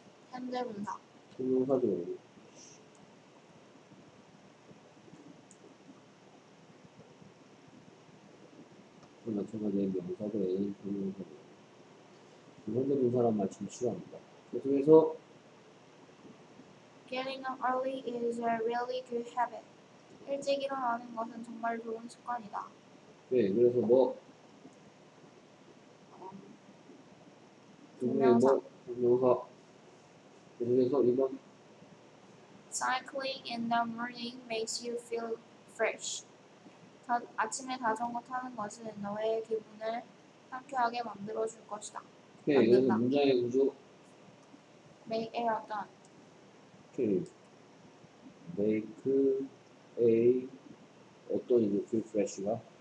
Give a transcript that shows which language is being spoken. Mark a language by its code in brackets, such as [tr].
[ko] 현대분사. 동명사죠. 마찬가지의 명사들은 동명사들. 현대분사란 말 참 싫어합니다. 계속해서 [en] Getting up early is a really good habit. [ko] 일찍 일어나는 것은 정말 좋은 습관이다. 네, 그래서 뭐 동명사. 동명사. 계속해서 2번 [en] Cycling in the morning makes you feel fresh. [ko] 아침에 자전거 타는 것은 너의 기분을 상쾌하게 만들어 줄 것이다. 오케이, 이건 문장의 구조. [en] Make a run. [ko] 오케이. Make a 어떤 이제 feel fresh가?